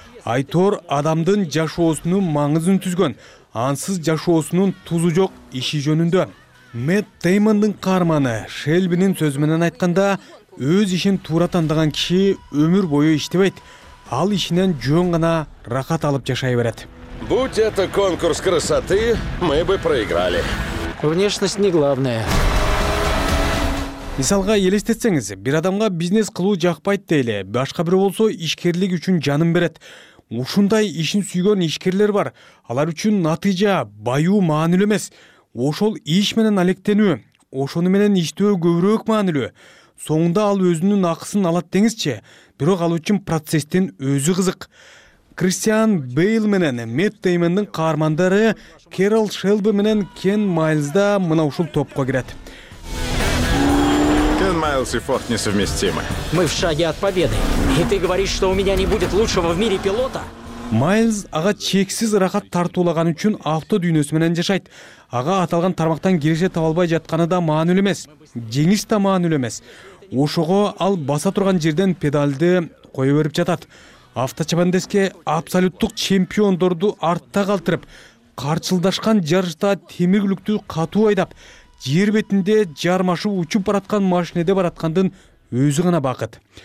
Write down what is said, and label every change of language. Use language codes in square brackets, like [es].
[ky] Айтор адамдын жашоосунун маңызын түзгөн, ансыз жашоосунун тузу жок иши жөнүндө. Мэтт Деймондун каарманы Шелбинин сөзү менен айтканда, өз ишин туура тандаган киши өмүр бою иштебейт. Ал ишинен жөн гана рахат алып жашай берет. [ru] Будь это конкурс красоты, мы бы проиграли. Внешность не главное. [ky] Мисалга элестетсеңиз, бир адамга бизнес кылуу жакпайт дейли, башка бири болсо ишкерлик үчүн жанын берет. Ушундай ишин сүйгөн ишкерлер бар. Алар үчүн натыйжа, байуу маанилүү эмес. Ошол иш менен алектенүү, ошону менен иштөө көбүрөөк маанилүү. Соңунда ал өзүнүн акысын алат деңизчи, бирок ал үчүн процесстин өзү кызык. Кристиан Бейл менен Мэтт Деймондун каармандары Кэрол Шелби менен Кен Майлз да мына ушул топко кирет. [ru] Кен Майлз и Форд несовместимы. Мы в шаге от победы. И ты говоришь, что у меня не будет лучшего в мире пилота? [ky] Майлз ага чексиз рахат тартуулаган үчүн авто дүйнөсү менен жашайт. Ага аталган тармактан киреше таба албай жатканы да маанилүү эмес. Жеңиш да маанилүү эмес. Ошого ал баса турган жерден педалды кое берип жатат. Авточапандеске абсолюттук чемпиондорду артта калтырып, карчылдашкан жарышта темир күлүктү катуу айдап, жер бетинде жармашып учуп бараткан машинеде бараткандын өзү гана бакыт.